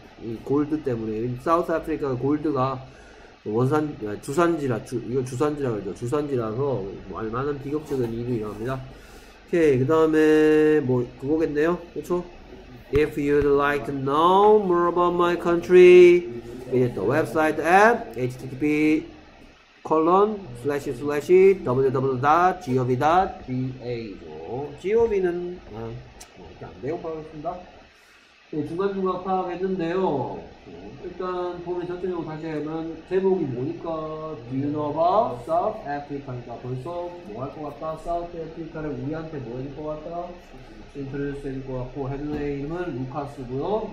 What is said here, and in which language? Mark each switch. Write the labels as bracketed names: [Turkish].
[Korean] 이 골드 때문에 사우스 아프리카 골드가 이거 주산지라 그러죠. 주산지라서 뭐 얼마나 비극적인 일이 일어납니다. 오케이, 그다음에 뭐 그거겠네요. 그렇죠? [English] If you'd like to know more about my country, visit the website at http:// www.gov.ga죠. [Korean] gov는 일단 내용 파악했습니다. 중간중간 파악했는데요. 일단 보면 전체적으로 다시 하면 제목이 뭐니까 [English] Do you know about South Africa [Korean] 니까 벌써 뭐할것 같다. South Africa를 우리한테 뭐할것 같다. Introduce 해줄 것 같고 헤드의 이름은 루카스고요.